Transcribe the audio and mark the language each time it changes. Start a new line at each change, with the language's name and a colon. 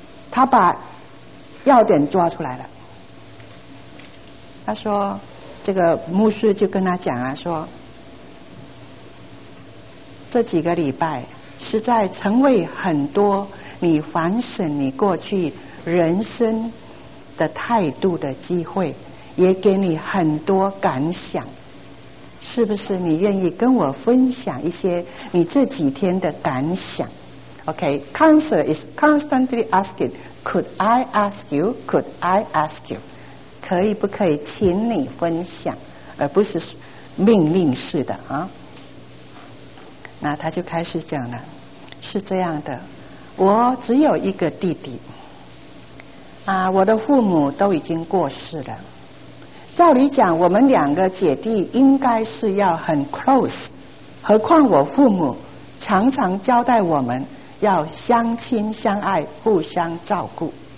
Chinese: 他把要点抓出来了。他说，这个牧师就跟他讲啊，说这几个礼拜是在成为很多你反省你过去人生的态度的机会，也给你很多感想，是不是你愿意跟我分享一些你这几天的感想？
English: Okay, counselor is constantly asking, could I ask you? Could I ask you?
Chinese: 可以不可以请你分享，而不是命令式的啊。那他就开始讲了，是这样的，我只有一个弟弟啊，我的父母都已经过世了，照理讲我们两个姐弟应该是要很 close， 何况我父母常常交代我们要相亲相爱，互相照顾。